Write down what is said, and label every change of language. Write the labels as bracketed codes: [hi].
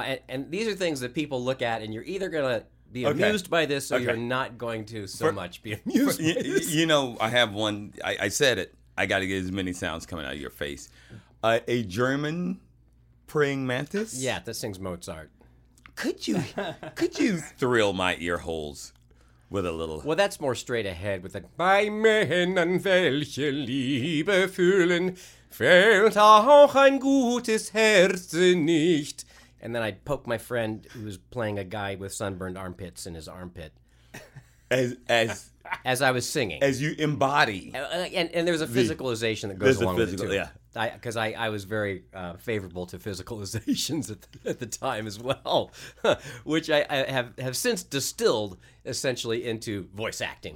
[en] And these are things that people look at, and you're either going to be amused by this or you're not going to be amused by this. You know, I have one. I said it. I got to get as many sounds coming out of your face. A German praying mantis? Yeah, that sings Mozart. Could you thrill my ear holes with a little? Well, that's more straight ahead with like, [de] bei Männern, welche Liebe fühlen, fällt auch ein gutes Herz nicht. [en] And then I'd poke my friend who's playing a guy with sunburned armpits in his armpit. As I was singing. As you embody. And there's a physicalization that goes along physical, with it, too. Yeah. Because I was very favorable to physicalizations at the time as well, which I have since distilled essentially into voice acting,